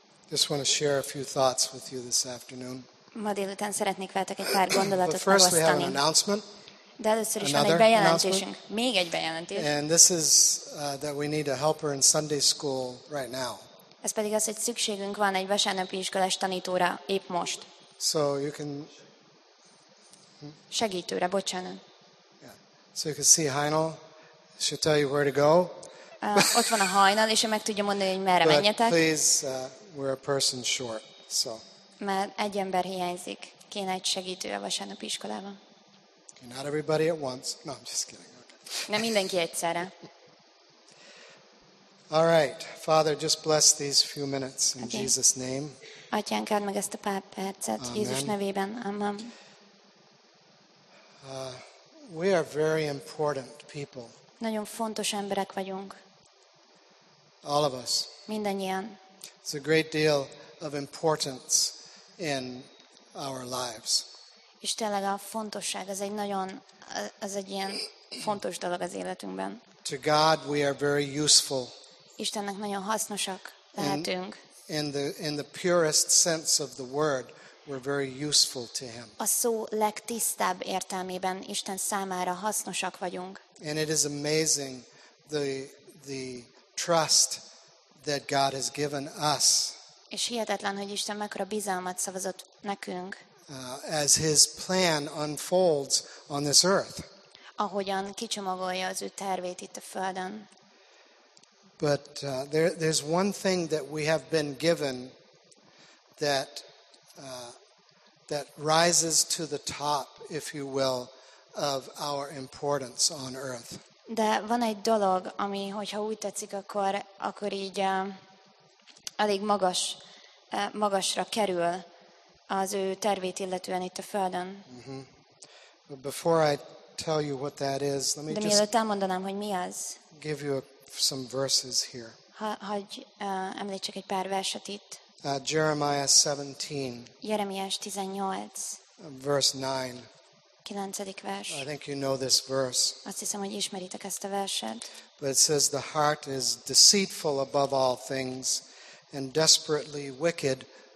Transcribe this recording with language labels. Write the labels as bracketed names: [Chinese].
[English] Just want to share a few thoughts with you this afternoon. [Hungarian] Ma délután szeretnék veletek egy pár gondolatot megosztani. [English] First we have an announcement. [Hungarian] De először is van egy bejelentésünk. Még egy bejelentés. [English] And this is that we need a helper in Sunday school right now. [Hungarian] Ez pedig az, hogy szükségünk van egy vasárnapi iskolás tanítóra épp most. [English] So you can [Hungarian] segítőre, bocsánat. [English] Yeah. So you can see Heinel. She'll tell you where to go. [Hungarian] Ott van a Heinel, és ő meg tudja mondani, hogy merre menjetek. [English] Please, we're a person short. So. [Hungarian] Mert egy ember hiányzik. Kéne egy segítő a vasárnapi iskolában. [English] Okay, not everybody at once. No, I'm just kidding. Okay. [Hungarian] Nem mindenki egyszerre. [English] All right, Father, just bless these few minutes in okay. Jesus' name. [Hungarian] Atyánk, add meg ezt a pár percet Jézus nevében. [English] Amen. We are very important people. [Hungarian] Nagyon fontos emberek vagyunk. [English] All of us. [Hungarian] Mindannyian. [English] It's a great deal of importance in our lives. [Hungarian] És tényleg a fontosság, az egy nagyon, az egy ilyen fontos dolog az életünkben. [English] To God, we are very useful. [Hungarian] Istennek nagyon hasznosak lehetünk. [English] In the purest sense of the word, we're very useful to him. [Hungarian] A szó legtisztább értelmében Isten számára hasznosak vagyunk. [English] And it is amazing the trust that God has given us. [Hungarian] És hihetetlen, hogy Isten mekkora bizalmat szavazott nekünk. [English] As his plan unfolds on this earth. [Hungarian] Ahogyan kicsomagolja az ő tervét itt a földön. [English] But there's one thing that we have been given that rises to the top, if you will, of our importance on earth. [Hungarian] De van egy dolog, ami, hogyha úgy tetszik, akkor így elég magasra kerül az ő tervét illetően itt a földön. Mm-hmm. [English] But before I tell you what that is, let me [Hungarian] De mielőtt elmondanám, hogy mi az, [English] give you some verses here. [Hungarian] Hogy említsek egy pár verset itt. [English] Jeremiah 17. [Hungarian] Jeremiás 18. [English] Verse 9. [Hungarian] 9. vers. [English] I think you know this verse. [Hungarian] Azt hiszem, hogy ismeritek ezt a verset. [English] But it says the heart is deceitful above all things and desperately wicked.